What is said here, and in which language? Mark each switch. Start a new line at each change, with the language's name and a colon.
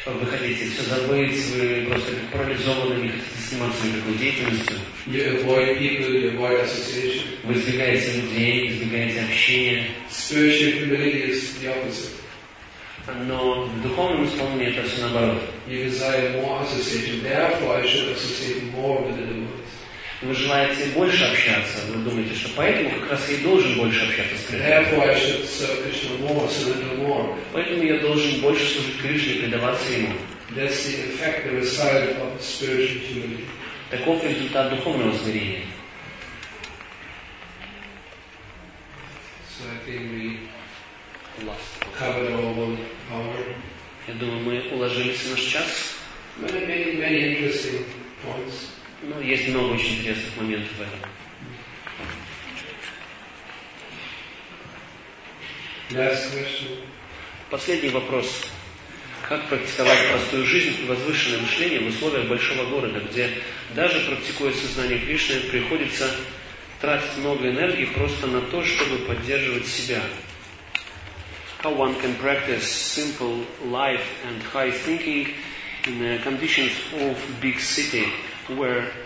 Russian: Вы хотите все забыть, вы просто как парализованы, не хотите заниматься никакой деятельностью.
English: You avoid people, you avoid association.
Russian: Вы избегаете людей, избегаете общения.
English: Spiritual humility is the opposite.
Russian: Но в духовном исполнении это все наоборот.
English: You desire more association, therefore I should associate more with the devotees.
Russian: Вы желаете больше общаться, вы думаете, что поэтому как раз я и должен больше общаться с Кришной.
English: Therefore I should serve Krishna more, surrender more.
Russian: Поэтому я должен больше служить Кришне, предаваться Ему.
English: That's the effect, the result of spiritual humility.
Russian: Таков результат духовного смирения.
English: So I think we covered all one hour.
Russian: Я думаю, мы уложились в наш час.
English: Many interesting points.
Russian: Ну, есть много очень интересных моментов в этом.
English: Last question.
Russian: Последний вопрос. Как практиковать простую жизнь и возвышенное мышление в условиях большого города, где даже практикуя сознание Кришны, приходится тратить много энергии просто на то, чтобы поддерживать себя?
English: How one can practice simple life and high thinking in the conditions of big city, where